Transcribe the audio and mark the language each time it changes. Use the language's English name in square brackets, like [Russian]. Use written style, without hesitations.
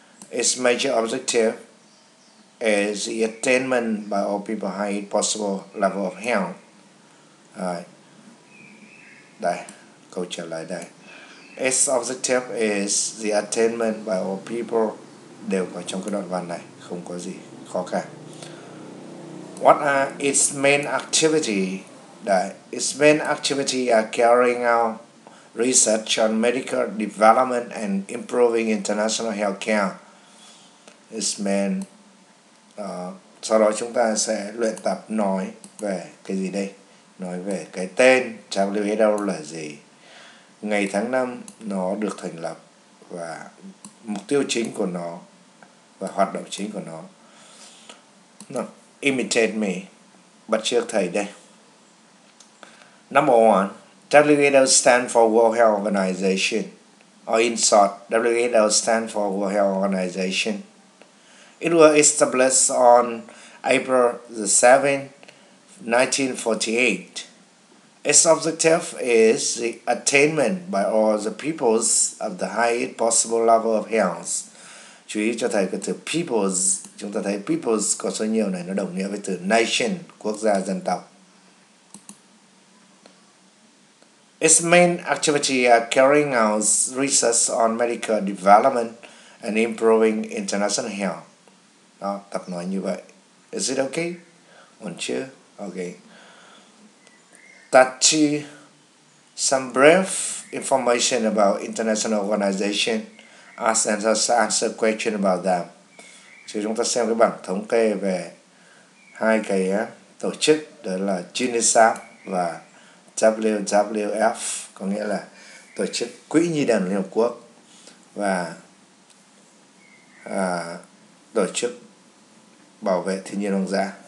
[English] Its major objective is the attainment by all people highest possible level of health. [Vietnamese] Đây, câu trả lời đây. [English] Its objective is the attainment by all people. [Vietnamese] Đều có trong cái đoạn văn này, không có gì khó khăn. [English] What are its main activity? Đấy, its main activity are carrying out research on medical development and improving international health care. Its main. [Vietnamese] Sau đó chúng ta sẽ luyện tập nói về cái gì đây? Nói về cái tên WHO là gì? Ngày tháng năm nó được thành lập và mục tiêu chính của nó và hoạt động chính của nó. [English] No, imitate me. [Vietnamese] Bắt chước thầy đây. [English] Number 1, WHO stand for World Health Organization. Or in short, WHO stand for World Health Organization. It was established on April 7, 1948. Its objective is the attainment by all the peoples of the highest possible level of health. [Vietnamese] Chú ý cho thầy cái từ peoples, chúng ta thấy peoples có số nhiều này, nó đồng nghĩa với từ nation, quốc gia, dân tộc. [English] Its main activity are carrying out research on medical development and improving international health. [Vietnamese] Đó, tập nói như vậy. [English] Is it okay? [Vietnamese] Ổn chứ? Okay. [English] That some brief information about international organization, ask and answer question about them. [Vietnamese] Chứ chúng ta xem cái bảng thống kê về hai cái tổ chức, đó là UNICEF và WWF, có nghĩa là tổ chức Quỹ Nhi đồng Liên Hợp Quốc và tổ chức bảo vệ thiên nhiên hoang dã.